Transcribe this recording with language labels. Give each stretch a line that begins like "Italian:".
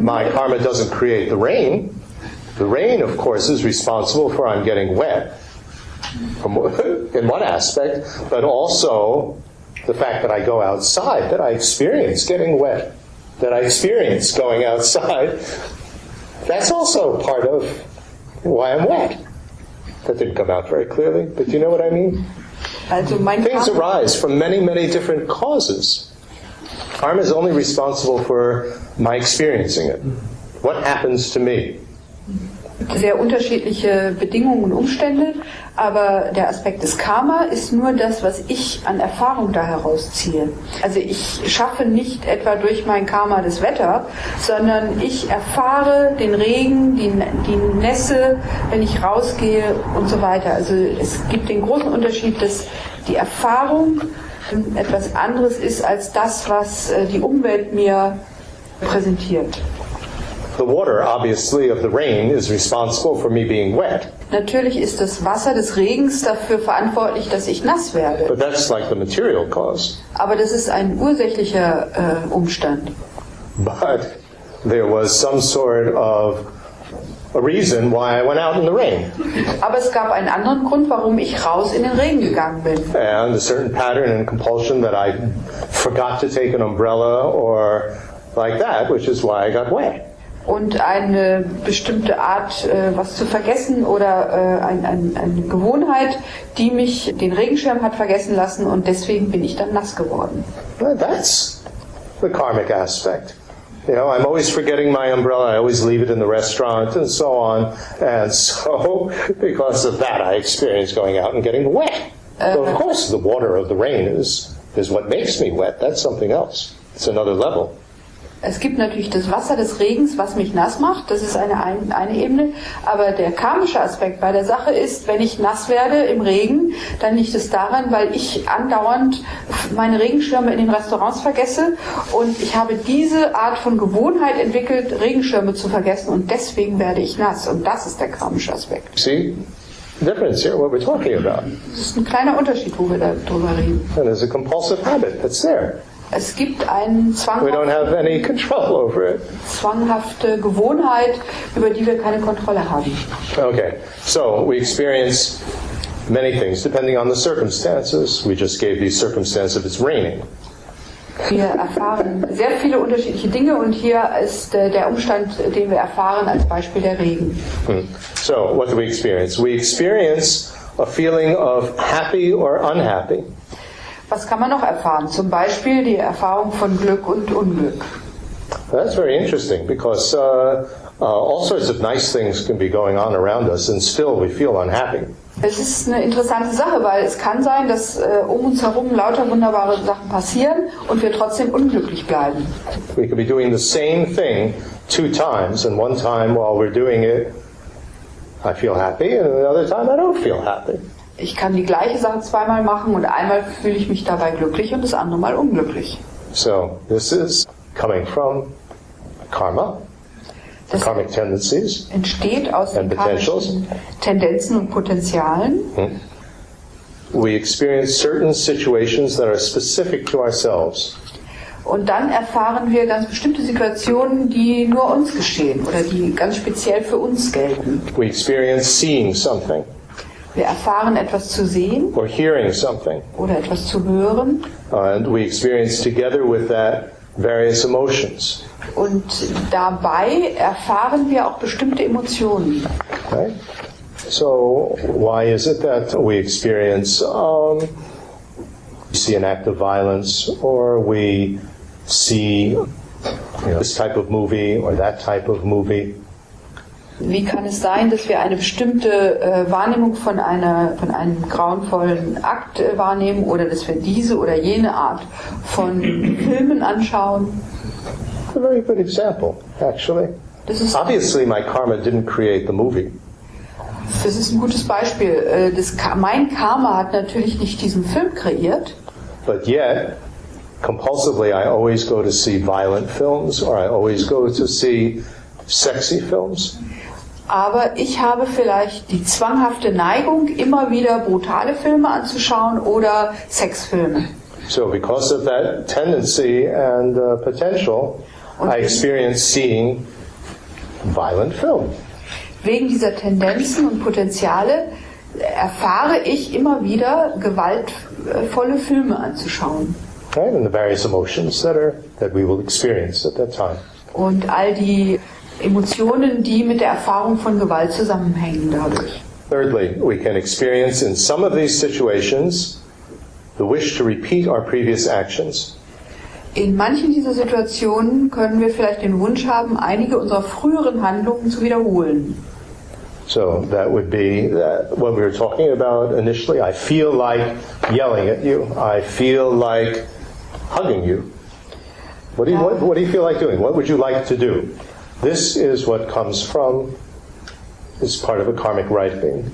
English: My karma doesn't create the rain. The rain, of course, is responsible for I'm getting wet in one aspect, but also the fact that I go outside, that I experience getting wet, that I experience going outside, that's also part of why I'm wet. That didn't come out very clearly, but do you know what I mean?
German: Also mein
English: Things karma arise from many, many different causes. Karma is only responsible for my experiencing it. What happens to me?
German: Sehr unterschiedliche Bedingungen und Umstände, aber der Aspekt des Karma ist nur das, was ich an Erfahrung da herausziehe. Also ich schaffe nicht etwa durch mein Karma das Wetter, sondern ich erfahre den Regen, die Nässe, wenn ich rausgehe und so weiter. Also es gibt den großen Unterschied, dass die Erfahrung etwas anderes ist als das, was die Umwelt mir präsentiert.
English: The water, obviously, of the rain is responsible for me being wet.
German: Natürlich ist das Wasser des Regens dafür verantwortlich, dass ich nass werde.
English: But that's like the material cause.
German: Aber das ist ein ursächlicher Umstand.
English: But there was some sort of a reason why I went out in the rain.
German: Aber es gab einen anderen Grund, warum ich raus in den Regen gegangen bin.
English: And a certain pattern and compulsion that I forgot to take an umbrella or like that, which is why I got wet.
German: Und eine bestimmte Art, was zu vergessen oder eine Gewohnheit, die mich den Regenschirm hat vergessen lassen und deswegen bin ich dann nass geworden.
English: Well, that's the karmic aspect. You know, I'm always forgetting my umbrella, I always leave it in the restaurant and so on. And so, because of that, I experience going out and getting wet. But of course, the water of the rain is what makes me wet. That's something else. It's another level.
German: Es gibt natürlich das Wasser des Regens, was mich nass macht. Das ist eine Ebene. Aber der karmische Aspekt bei der Sache ist, wenn ich nass werde im Regen, dann liegt es daran, weil ich andauernd meine Regenschirme in den Restaurants vergesse. Und ich habe diese Art von Gewohnheit entwickelt, Regenschirme zu vergessen. Und deswegen werde ich nass. Und das ist der karmische Aspekt.
English: See? Difference here, what we're talking about.
German: Das ist ein kleiner Unterschied, wo wir darüber reden.
English: And there's a compulsive habit that's there.
German: Es gibt einen
English: we don't have any control over it.
German: Zwanghafte Gewohnheit, über die wir keine Kontrolle haben.
English: Okay, so we experience many things depending on the circumstances. We just gave the circumstance of it's raining.
German: Wir erfahren sehr viele unterschiedliche Dinge und hier ist der Umstand, den wir erfahren, als Beispiel der Regen.
English: So, what do we experience? We experience a feeling of happy or unhappy.
German: Was kann man noch erfahren? Zum Beispiel die Erfahrung von Glück und Unglück.
English: That's very interesting, because all sorts of nice things can be going on around us and still we feel unhappy.
German: Es ist eine interessante Sache, weil es kann sein, dass um uns herum lauter wunderbare Sachen passieren und wir trotzdem unglücklich bleiben.
English: We could be doing the same thing two times and one time while we're doing it I feel happy and another time I don't feel happy.
German: Ich kann die gleiche Sache zweimal machen und einmal fühle ich mich dabei glücklich und das andere Mal unglücklich.
English: So, this is coming from karma,
German: das
English: karmic tendencies,
German: entsteht aus den karmischen Tendenzen und Potenzialen.
English: We experience certain situations that are specific to ourselves.
German: Und dann erfahren wir ganz bestimmte Situationen, die nur uns geschehen oder die ganz speziell für uns gelten.
English: We experience seeing something.
German: Wir erfahren etwas zu sehen
English: or hearing something.
German: Oder etwas zu hören.
English: And we experience together with that various emotions.
German: Und dabei erfahren wir auch bestimmte Emotionen.
English: Okay. So why is it that we experience see an act of violence or we see this type of movie or that type of movie?
German: Wie kann es sein, dass wir eine bestimmte Wahrnehmung von einem grauenvollen Akt wahrnehmen oder dass wir diese oder jene Art von Filmen anschauen?
English: A very good example, actually. Obviously, my karma didn't create the movie.
German: Das ist ein gutes Beispiel. Mein Karma hat natürlich nicht diesen Film kreiert.
English: But yet, compulsively, I always go to see violent films or I always go to see sexy films.
German: Aber ich habe vielleicht die zwanghafte Neigung, immer wieder brutale Filme anzuschauen oder Sexfilme.
English: So, because of that tendency and potential, und I experience seeing violent film.
German: Wegen dieser Tendenzen und Potenziale erfahre ich immer wieder gewaltvolle Filme anzuschauen.
English: Right, and the various emotions that we will experience at that time.
German: Und all die Emotionen, die mit der Erfahrung von Gewalt zusammenhängen dadurch.
English: Thirdly, we can experience in some of these situations the wish to repeat our previous actions.
German: In manchen dieser Situationen können wir vielleicht den Wunsch haben, einige unserer früheren Handlungen zu wiederholen.
English: So that would be that what we were talking about initially. I feel like yelling at you. I feel like hugging you. What do you feel like doing? What would you like to do? This is what comes from, it's part of a karmic ripening.